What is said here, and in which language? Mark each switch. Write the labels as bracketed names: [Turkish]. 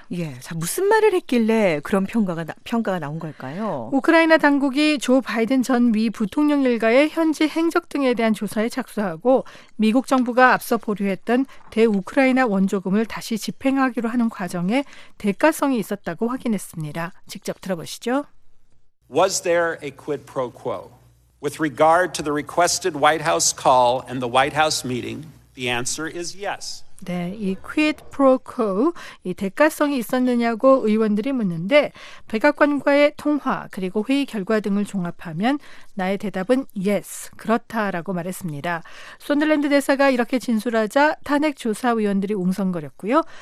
[Korean] 예, 자, 무슨 말을 했길래 그런 평가가 나온 걸까요? 우크라이나 당국이 조 바이든 전 미 부통령 일가의 현지 행적 등에 대한 조사에 착수하고 미국 정부가 앞서 보류했던 대우크라이나 원조금을 다시 집행하기로 하는 과정에 대가성이 있었다고 확인했습니다. 직접 들어보시죠. [English] Was there a quid pro quo with regard to the requested White House call and the White House meeting? The answer is yes. [Korean] 네, 이 quid pro quo, 이 대가성이 있었느냐고 의원들이 묻는데 백악관과의 통화 그리고 회의 결과 등을 종합하면 나의 대답은 yes, 그렇다라고 말했습니다. 손들랜드 대사가 이렇게 진술하자 탄핵 조사 위원들이 웅성거렸고요.